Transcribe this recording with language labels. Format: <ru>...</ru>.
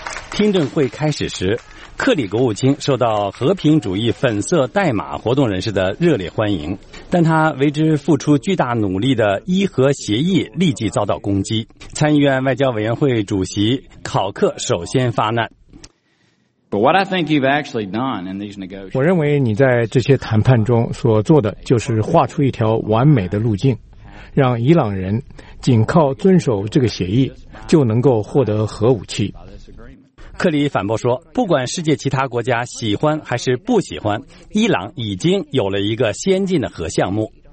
<zh>听证会开始时，克里国务卿受到和平主义粉色代码活动人士的热烈欢迎，但他为之付出巨大努力的伊核协议立即遭到攻击。参议院外交委员会主席考克首先发难。</zh> <en>But what I think you've actually done in these negotiations,</en> <zh>我认为你在这些谈判中所做的就是画出一条完美的路径，让伊朗人仅靠遵守这个协议就能够获得核武器。克里反驳说，不管世界其他国家喜欢还是不喜欢，伊朗已经有了一个先进的核项目。</zh>